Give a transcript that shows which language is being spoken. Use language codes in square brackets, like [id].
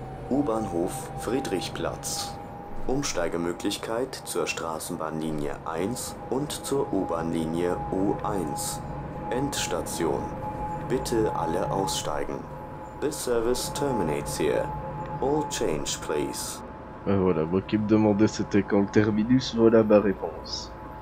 [de] U-Bahnhof Friedrichplatz. Umsteigemöglichkeit zur Straßenbahnlinie 1 und zur U-Bahnlinie U1. Endstation. Bitte alle aussteigen. [en] This service terminates here. All change, please. [fr] Ben voilà, moi qui me demandais c'était quand le terminus, voilà ma réponse.